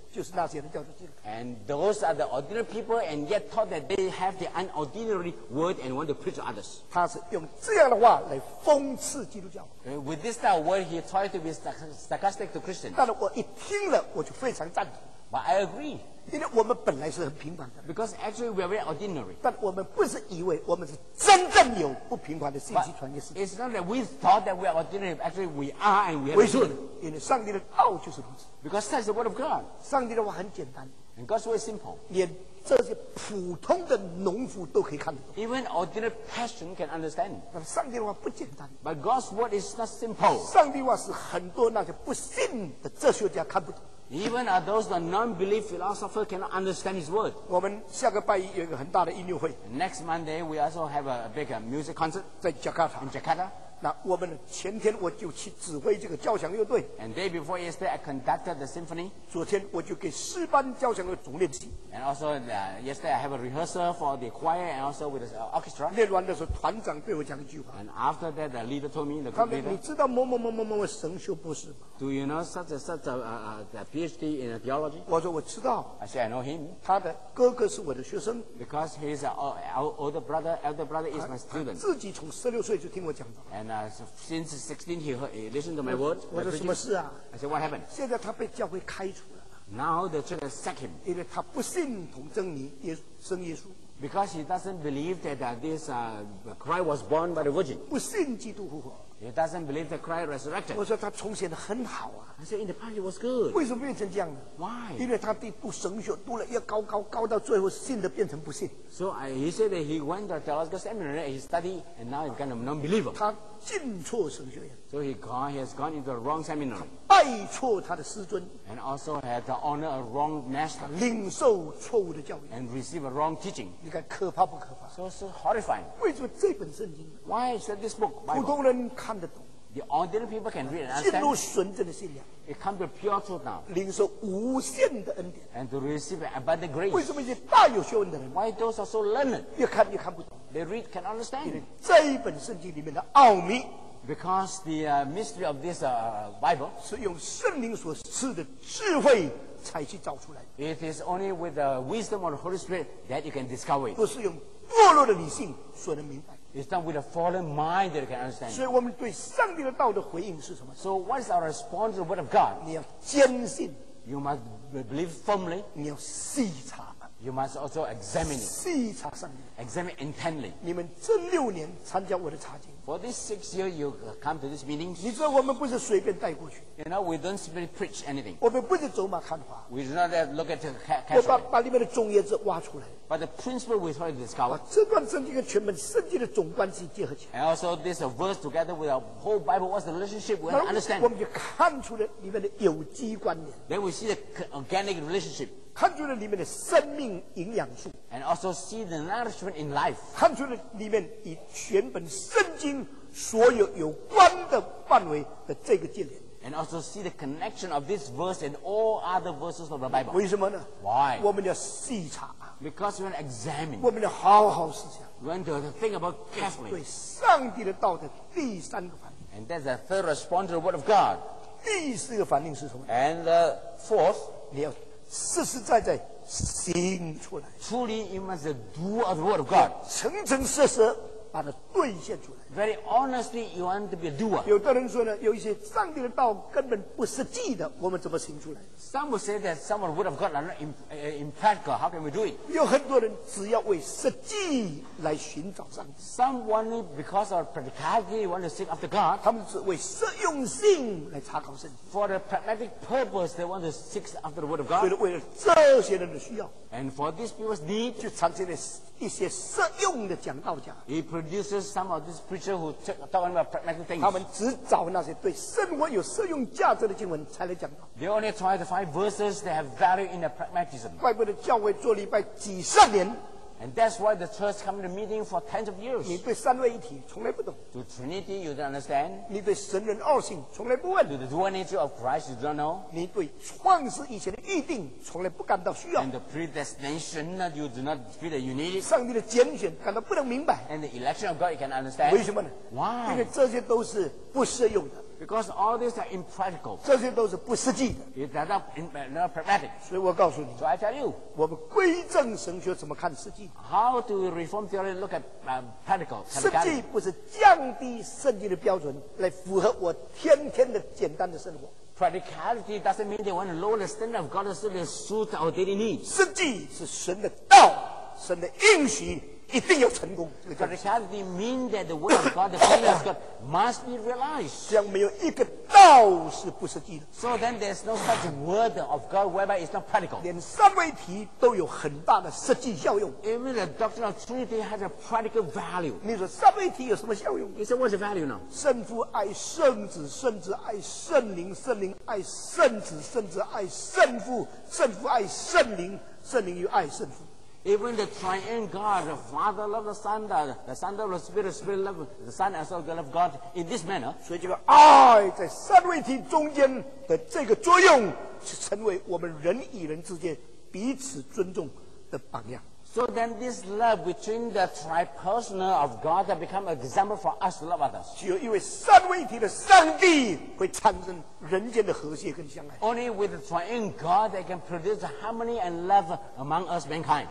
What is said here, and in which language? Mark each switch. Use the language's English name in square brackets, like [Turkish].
[Chinese] 就是那些人叫做基督徒。 [English] And those are the ordinary people, and yet thought that they have the unordinary word and want to preach to others. [Chinese] 他是用这样的话来讽刺基督教。 [English] With this type of word, he tried to be sarcastic to Christians. [Chinese] 但是我一听了，我就非常赞同。 [English] But I agree. [Chinese] 因为我们本来是很平凡的。 [English] Because actually we are very ordinary. [Chinese] 但我们不是以为我们是真正有不平凡的信息传给世界。 [English] It's not that we thought that we are ordinary. Actually, we are, and we are. [Chinese] 为什么？因为上帝的道就是如此。 [English] Because that's the word of God. [Chinese] 上帝的话很简单。 [English] And God's word is simple. [Chinese] 连这些普通的农夫都可以看得懂。 [English] Even ordinary peasant can understand. [Chinese] 但上帝的话不简单。 [English] But God's word is not simple. [Chinese] 上帝的话是很多那些不信的哲学家看不懂。 [English] Even are those the non-belief philosopher cannot understand his word. [Chinese] 我们下个拜一有一个很大的音乐会。 [English] Next Monday we also have a big music concert. [Chinese] 在 Jakarta. [English] In Jakarta. [Chinese] 那我们前天我就去指挥这个交响乐队。 [English] And day before yesterday, I conducted the symphony. [Chinese] 昨天我就给诗班交响乐总练习。 [English] And also, yesterday I have a rehearsal for the choir and also with the orchestra. [Chinese] 练完的时候，团长对我讲一句话。 [English] And after that, the leader told me in the group leader. [Chinese] 他们，你知道某某某某某神学博士吗 [English] ？Do you know such a such a the PhD in theology? [Chinese] 我说我知道。 [English] I said I know him. [Chinese] 他的哥哥是我的学生。 [English] Because he's our elder brother is my student. [Chinese] 自己从十六岁就听我讲的。 [English] Since 16, he listened to my words. [Chinese] 我说什么事啊？ [English] I said, what happened? [Chinese] 现在他被教会开除了。 [English] Now the church sacked him. [Chinese] 因为他不信同真理，生耶稣。 [English] Because he doesn't believe that this Christ was born by the Virgin. [Chinese] 不信基督复活。 [English] He doesn't believe that Christ resurrected. [Chinese] 我说他从前很好啊。 [English] I said, in the past he was good. [Chinese] 为什么变成这样呢？ [English] Why? [Chinese] 因为他地步神学读了要高高高到最后信的变成不信。 [English] So he said that he went to the theological seminary and he studied and now he's kind of non-believer. [Chinese] 他进错神学院。 [English] So he has gone into the wrong seminary. [Chinese] 拜错他的师尊。 [English] And also had to honor a wrong master. [Chinese] 领受错误的教育。 [English] And receive a wrong teaching. [Chinese] 你看可怕不可怕？ [English] So horrifying. [Chinese] 为什么这本圣经？ [English] Why is that this book? [Chinese] 普通人看得懂。 [English] The ordinary people can read and understand. [Chinese] 进入纯正的信仰。 [English] It comes to pure truth now. [Chinese] 领受无限的恩典。 [English] And to receive abundant grace. [Chinese] 为什么一些大有学问的人？ [English] Why those are so learned? [Chinese] 越看不懂。 [English] They read can understand. [Chinese] 因为这一本圣经里面的奥秘。 [English] Because the mystery of this Bible. [Chinese] 是用圣灵所赐的智慧。才去找出来。 [English] It is only with the wisdom of the Holy Spirit that you can discover it. [Chinese] 不是用堕落的理性所能明白。 [English] It's done with a fallen mind that you can understand. [Chinese] 所以我们对上帝的道的回应是什么 [English] ？So what is our response to the word of God? [Chinese] 你要坚信。 [English] You must believe firmly. [Chinese] 你要细查。 [English] You must also examine it. [Chinese] 细查上帝。 [English] Examine intently. [Chinese] 你们这六年参加我的查经。 [English] For this 6 years, you come to this meeting. [Chinese] 你知道我们不是随便带过去。 [English] You know, we don't simply preach anything. [Chinese] 我们不是走马看花。 [English] We do not look at the casual. [Chinese] 我把里面的种叶子挖出来。 [English] But the principle we try to discover. [Chinese] 把这段圣经跟全本圣经的总关系结合起来。 [English] And also this verse together with our whole Bible, what's the relationship we understand? [Chinese] 我们就看出了里面的有机关联。 [English] Then we see the organic relationship. [Chinese] 看出了里面的生命营养素。 [English] And also see the nourishment in life. [Chinese] 看出了里面以全本圣经所有有关的范围的这个界限 [English] and also see the connection of this verse and all other verses of the Bible. [Chinese] 为什么呢 [English] ？Why？ [Chinese] 我们要细查 [English] ，because we want to examine. [Chinese] 我们要好好思想 [English] ，we want to think about carefully. [Chinese] 对上帝的道的第三个反应 [English] ，and that's the third response to the word of God. [Chinese] 第四个反应是什么 [English] ？And the fourth， [Chinese] 你要实实在在。行出来 [English] ，truly you must do of the word of God， [Chinese] 诚诚实实把它兑现出来。 [English] Very honestly, you want to be a doer。 [Chinese] 有的人说呢，有一些上帝的道根本不实际的，我们怎么行出来 [English] ？Some will say that some of the word of God are not impractical. How can we do it？ [Chinese] 有很多人只要为实际来寻找上帝。 [English] Some want it because of practicality, want to seek after God。 [Chinese] 他们只为实用性来查考圣经。 [English] For the pragmatic purpose, they want to seek after the word of God。 [Chinese] 所以为了这些人的需要。 [English] And for these people's need， [Chinese] 就产生了一些实用的讲道家。 [English] He produces some of these preachers who talk about pragmatic things。 [Chinese] 他们只找那些对生活有实用价值的经文才来讲道。 [English] They only try to find verses that have value in the pragmatism。 [Chinese] 怪不得教会做礼拜几十年。 [English] And that's why the church come to meeting for tens of years。 [Chinese] 你对三位一体从来不懂。 [English] To Trinity you don't understand。 [Chinese] 你对神人二性从来不问。 [English] To the dual nature of Christ you don't know。 [Chinese] 你对创世以前的预定从来不感到需要。 [English] And the predestination that you do not feel that you need it。 [Chinese] 上帝的拣选感到不能明白。 [English] And the election of God you can understand。 [Chinese] 为什么呢 [English] ？Why？ [Chinese] 因为这些都是不适用的。 [English] Because all these are impractical。 [Chinese] 这些都是不实际的。 [English] It's not pragmatic。 [Chinese] 所以我告诉你。 [English] So I tell you。 [Chinese] 我们归正神学怎么看实际？ [English] How do we reform theory look at practical? [Chinese] 实际不是降低圣经的标准来符合我天天的简单的生活。 [English] Practicality doesn't mean they want to lower the standard of God so they suit our daily needs. [Chinese] 实际是神的道，神的应许一定要成功。 [English] Practicality means that the word of God, the plan of God must be realized. [Chinese] 这样没有一个道是不实际的。 [English] So then there's no such word of God whereby it's not practical. [Chinese] 连三位一体都有很大的实际效用。 [English] Even the doctrine of Trinity has a practical value. [Chinese] 你说三位一体有什么效用？ [English] You say what's the value now? [Chinese] 圣父爱圣子，圣子爱圣灵，圣灵爱圣子，圣子爱圣父，圣父爱圣灵，圣灵又爱圣父。 [English] Even the triune God, the Father love the Son, the Son love the Spirit, the Spirit love the Son, as well love God in this manner. [Chinese] 所以这个爱在三位体中间的这个作用，成为我们人与人之间彼此尊重的榜样。 [English] So then this love between the tri-personal of God that become an example for us to love others. [Chinese] 只有因为三位一体的上帝会产生人间的和谐跟相爱。 [English] Only with the triune God that can produce harmony and love among us mankind.